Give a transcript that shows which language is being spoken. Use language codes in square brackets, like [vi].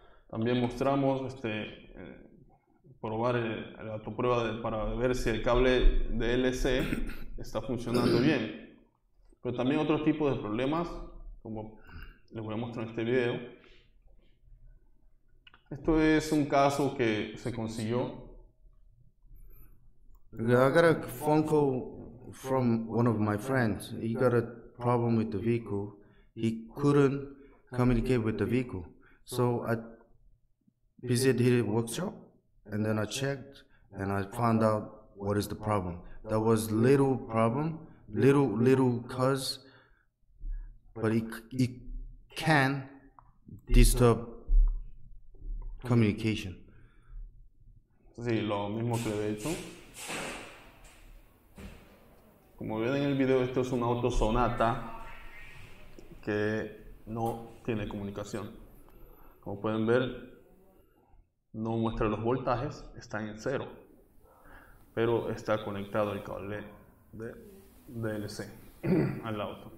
[es] También mostramos este, probar la autoprueba para ver si el cable DLC está funcionando bien. Pero también otro tipo de problemas, como les voy a mostrar en este video. Esto es un caso que se consiguió. [en] I got a phone call from one of my friends. He got a problem with the vehicle. He couldn't communicate with the vehicle. So I visited his workshop and then I checked and I found out what is the problem. That was little problem, little cause, but it can disturb communication. [es] Sí, lo mismo que le he dicho. Como ven en el video, esto es un auto Sonata que no tiene comunicación. Como pueden ver, no muestra los voltajes, están en cero, pero está conectado el cable de DLC al auto.